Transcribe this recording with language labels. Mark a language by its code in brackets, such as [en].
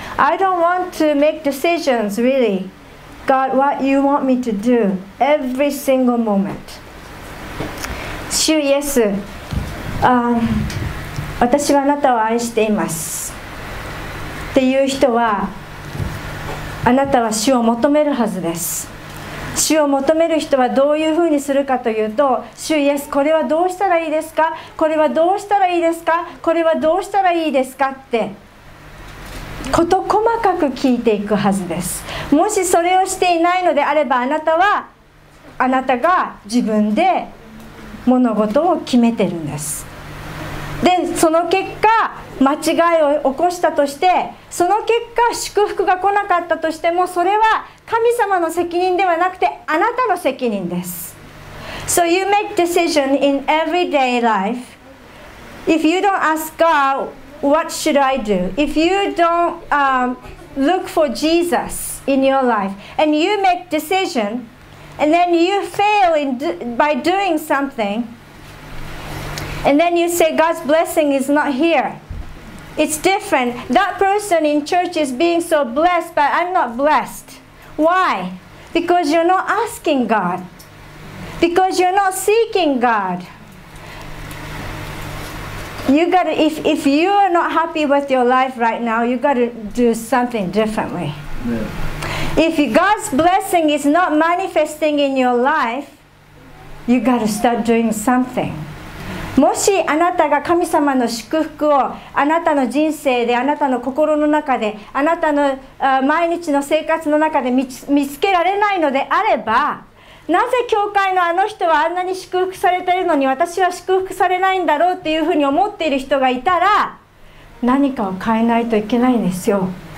[en] I don't want to make decisions, really. God, what you want me to do every single moment. [ja] 主イエス、私はあなたを愛しています。っていう人は、あなたは主を求めるはずです。主を求める人はどういうふうにするかというと、主イエス、これはどうしたらいいですか、これはどうしたらいいですか、これはどうしたらいいですかってこと細かく聞いていくはずです。もしそれをしていないのであれば、あなたはあなたが自分で物事を決めてるんです。でその結果間違いを起こしたとして、その結果祝福が来なかったとしても、それは神様の責任ではなくてあなたの責任です。 [en] So you make decision in everyday life. If you don't ask God what should I do, if you don't look for Jesus in your life and you make decision and then you fail in by doing something and then you say God's blessing is not hereIt's different. That person in church is being so blessed, but I'm not blessed. Why? Because you're not asking God. Because you're not seeking God. You gotta, if you are not happy with your life right now, you gotta do something differently. Yeah. If God's blessing is not manifesting in your life, you gotta start doing something. [ja] もしあなたが神様の祝福をあなたの人生であなたの心の中であなたの毎日の生活の中で見つけられないのであれば、なぜ教会のあの人はあんなに祝福されているのに私は祝福されないんだろうっていうふうに思っている人がいたら、何かを変えないといけないんですよ。